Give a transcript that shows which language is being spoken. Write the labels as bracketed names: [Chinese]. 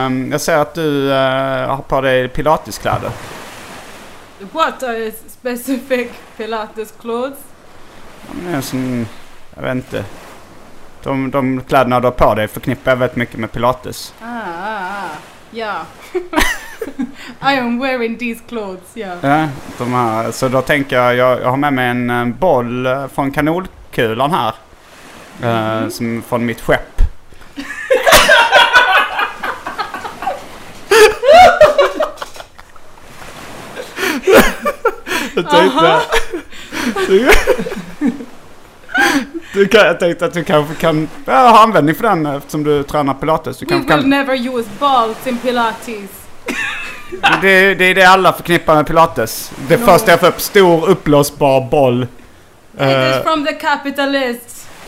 [Swedish] Jag ser att du har på dig pilateskläder. [English] What are specific pilates clothes? [Swedish] Jag vet inte. De kläderna du har på dig förknippar väldigt mycket med pilates. Ja. [English] Yeah. I am wearing these clothes. Yeah. [Swedish] Ja, de här. Så då tänker jag har med mig en boll från kanonkulan här. Som från mitt skepp. Jag tänkte att du kanske kan ha användning för den eftersom du tränar pilates. Du [English] We will never use balls in pilates. [Swedish] Det är det alla förknippar med pilates. Det första jag får upp, stor upplåsbar boll. [English] It is from the capitalists.